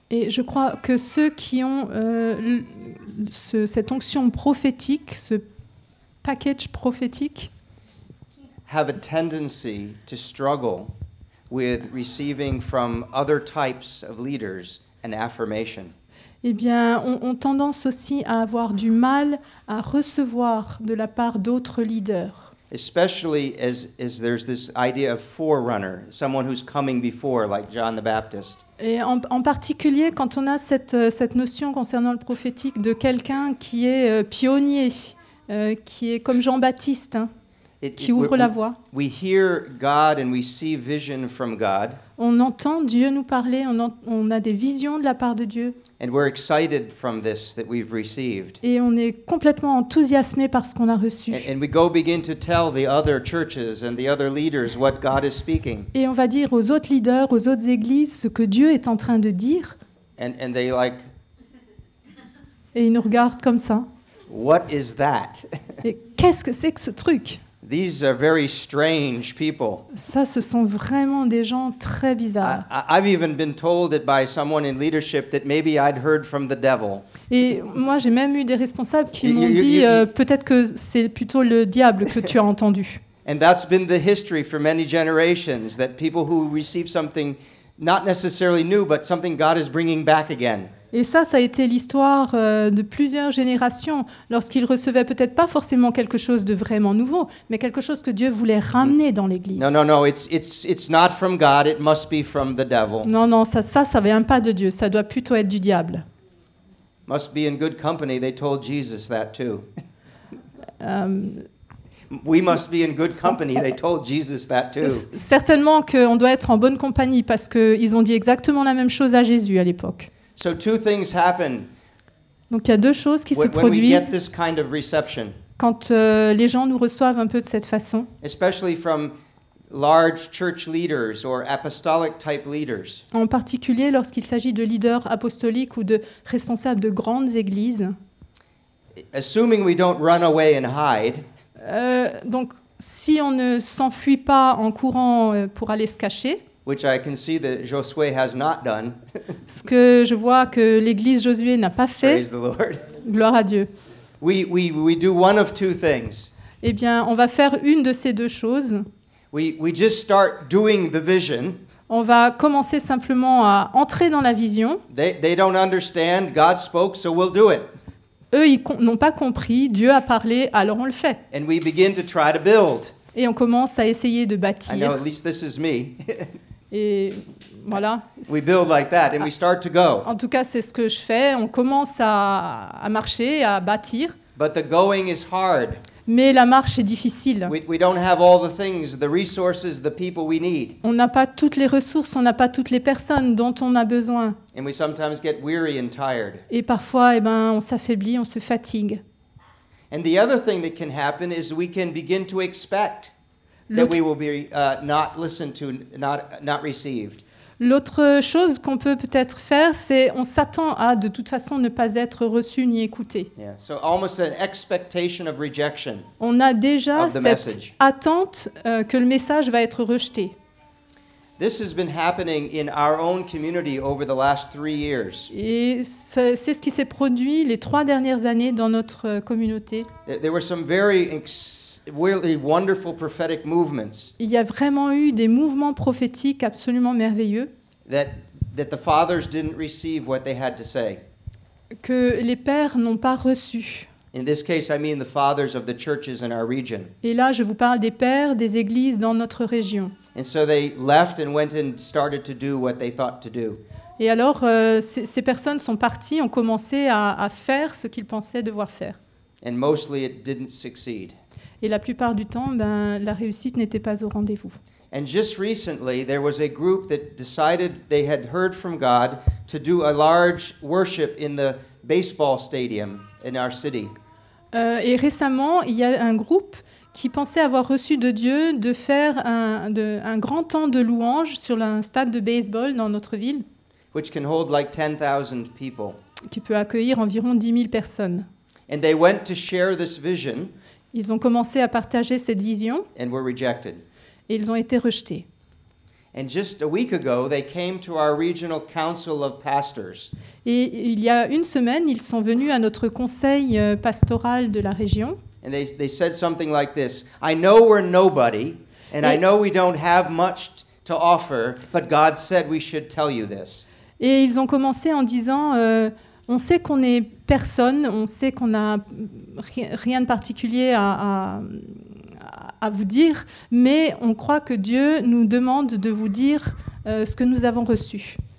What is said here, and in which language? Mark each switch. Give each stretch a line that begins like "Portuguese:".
French: Et je crois que ceux qui ont cette onction prophétique, ce package prophétique,
English: have a tendency to struggle with receiving from other types of leaders an affirmation.
French: Eh bien, on tendance aussi à avoir du mal à recevoir de la part d'autres leaders.
English: Especially as there's this idea of forerunner, someone who's coming before, like John the Baptist.
French: Et en particulier quand on a cette notion concernant le prophétique de quelqu'un qui est pionnier, qui est comme Jean-Baptiste, hein, qui ouvre la voie.
English: We hear God and we see vision from God.
French: On entend Dieu nous parler, on a des visions de la part de Dieu.
English: And we're excited from this that we've received.
French: Et on est complètement enthousiasmé par ce qu'on a reçu.
English: And we go begin to tell the other churches and the other leaders what God is speaking.
French: Et on va dire aux autres leaders, aux autres églises, ce que Dieu est en train de dire.
English: And they like...
French: Et ils nous regardent comme ça.
English: What is that?
French: Et qu'est-ce que c'est que ce truc?
English: These are very strange people.
French: Ça, ce sont vraiment des gens très bizarres.
English: I've even been told it by someone in leadership that maybe I'd heard from the devil.
French: Et moi, j'ai même eu des responsables qui m'ont dit peut-être que c'est plutôt le diable que tu as entendu.
English: And that's been the history for many generations, that people who receive something not necessarily new, but something God is bringing back again.
French: Et ça a été l'histoire de plusieurs générations, lorsqu'ils recevaient peut-être pas forcément quelque chose de vraiment nouveau, mais quelque chose que Dieu voulait ramener dans l'Église.
English: No, it's not from God, it must be from the devil.
French: Non, ça vient pas de Dieu, ça doit plutôt être du diable.
English: Must be in good company, they told Jesus that too. We must be in good company, they told Jesus that too.
French: Certainement qu'on doit être en bonne compagnie, parce qu'ils ont dit exactement la même chose à Jésus à l'époque.
English: So two things happen.
French: Donc il y a deux choses qui se produisent.
English: When we get this kind of reception.
French: Quand les gens nous reçoivent un peu de cette façon.
English: Especially from large church leaders or apostolic type leaders.
French: En particulier lorsqu'il s'agit de leaders apostoliques ou de responsables de grandes églises.
English: Assuming we don't run away and hide.
French: Donc si on ne s'enfuit pas en courant pour aller se cacher.
English: Which I can see that Josué has not done.
French: Ce que je vois que l'église Josué n'a pas fait.
English: Praise the Lord.
French: Gloire à Dieu.
English: We do one of two things.
French: Eh bien, on va faire une de ces deux choses.
English: We just start doing the vision.
French: On va commencer simplement à entrer dans la vision.
English: They don't understand. God spoke, so we'll do it.
French: Eux, ils n'ont pas compris. Dieu a parlé, alors on le fait.
English: And we begin to try to build.
French: Et on commence à essayer de bâtir.
English: I know, at least this is me.
French: Et voilà.
English: We build like that and we start to go.
French: En tout cas, c'est ce que je fais. On commence à marcher, à bâtir.
English: But the going is hard.
French: Mais la marche est difficile.
English: We don't have all the things, the resources, the people we need.
French: On n'a pas toutes les ressources, on n'a pas toutes les personnes dont on a besoin.
English: And we sometimes get weary and tired.
French: Et parfois, eh ben, on s'affaiblit, on se fatigue.
English: And the other thing that can happen is we can begin to expect that we will be not listened to, not received.
French: L'autre chose qu'on peut peut-être faire, c'est on s'attend à de toute façon ne pas être reçu ni écouté.
English: Yeah. So almost an expectation of rejection.
French: On a déjà cette attente que le message va être rejeté.
English: This has been happening in our own community over the last 3 years.
French: Et c'est ce qui s'est produit les trois dernières années dans notre communauté.
English: There were some very really wonderful prophetic movements.
French: Il y a vraiment eu des mouvements prophétiques absolument merveilleux.
English: That the fathers didn't receive what they had to say.
French: Que les pères n'ont pas reçu.
English: In this case, I mean the fathers of the churches in our region.
French: Et là, je vous parle des pères des églises dans notre région.
English: And so they left and went and started to do what they thought to do.
French: Et alors, ces personnes sont parties, ont commencé à faire ce qu'ils pensaient devoir faire.
English: And mostly it didn't succeed.
French: Et la plupart du temps, ben, la réussite n'était pas au rendez-vous.
English: And just recently, there was a group that decided they had heard from God to do a large worship in the baseball stadium in our city.
French: Et récemment, il y a un groupe qui pensait avoir reçu de Dieu de faire un grand temps de louange sur un stade de baseball dans notre ville.
English: Which can hold like 10,000 people.
French: Qui peut accueillir environ 10 000 personnes.
English: And they went to share this vision.
French: Ils ont commencé à partager cette vision.
English: And were rejected.
French: Et ils ont été rejetés.
English: And just a week ago, they came to our regional council of pastors.
French: Et il y a une semaine, ils sont venus à notre conseil pastoral de la région.
English: And they said something like this: I know we're nobody, and I know we don't have much to offer, but God said we should tell you this.
French: Et ils ont commencé en disant on sait qu'on est personne, on sait qu'on a rien de particulier à vous dire, mais on croit que Dieu nous demande de vous dire ce que nous avons reçu.